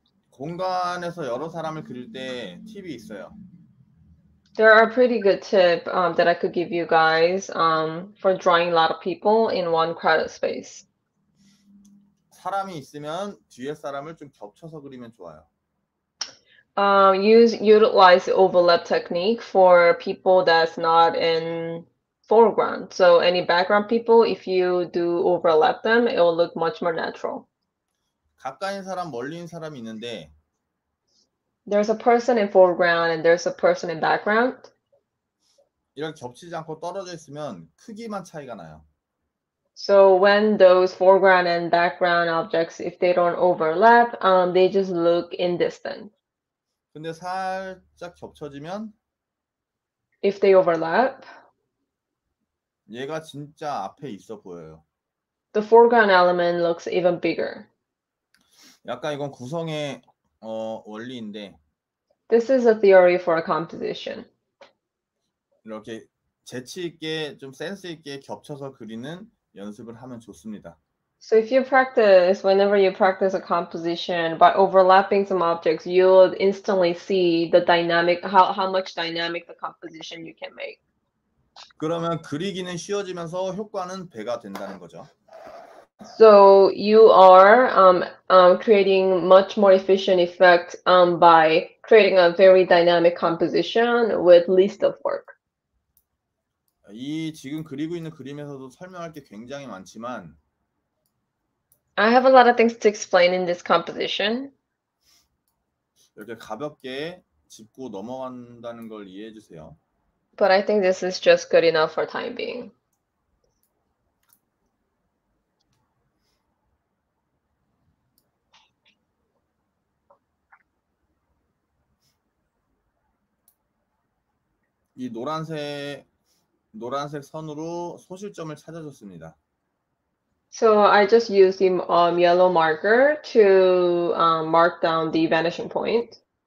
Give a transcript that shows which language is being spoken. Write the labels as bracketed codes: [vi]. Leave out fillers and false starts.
[ko] 공간에서 여러 사람을 그릴 때 팁이 있어요. [en] There are pretty good tips that I could give you guys for drawing a lot of people in one crowded space. 사람이 있으면 뒤에 사람을 좀 겹쳐서 그리면 좋아요. Utilize the overlap technique for people that's not in foreground. So any background people, if you do overlap them, it will look much more natural. [ko] 가까이 사람, 멀리 사람 있는데 [en] There's a person in foreground and there's a person in background. [ko] 이렇게 겹치지 않고 떨어져 있으면 크기만 차이가 나요. [en] So when those foreground and background objects, if they don't overlap, they just look indistinct. [ko] 근데 살짝 겹쳐지면 [en] If they overlap, [ko] 얘가 진짜 앞에 있어 보여요. [en] The foreground element looks even bigger. [ko] 약간 이건 구성의 원리인데 [en] This is a theory for a composition. [ko] 이렇게 재치 있게 좀 센스 있게 겹쳐서 그리는 연습을 하면 좋습니다. [en] So if you practice, whenever you practice a composition by overlapping some objects, you'll instantly see the dynamic, how much dynamic the composition you can make. [ko] 그러면 그리기는 쉬워지면서 효과는 배가 된다는 거죠. [en] So you are creating much more efficient effect by creating a very dynamic composition with least of work. [ko] 이 지금 그리고 있는 그림에서도 설명할 게 굉장히 많지만 [en] I have a lot of things to explain in this composition. [ko] 이렇게 가볍게 짚고 넘어간다는 걸 이해해 주세요. [en] But I think this is just good enough for time being. [ko] 이 노란색 선으로 소실점을 찾아줬습니다. [en] So I just used the yellow marker to mark down the vanishing point.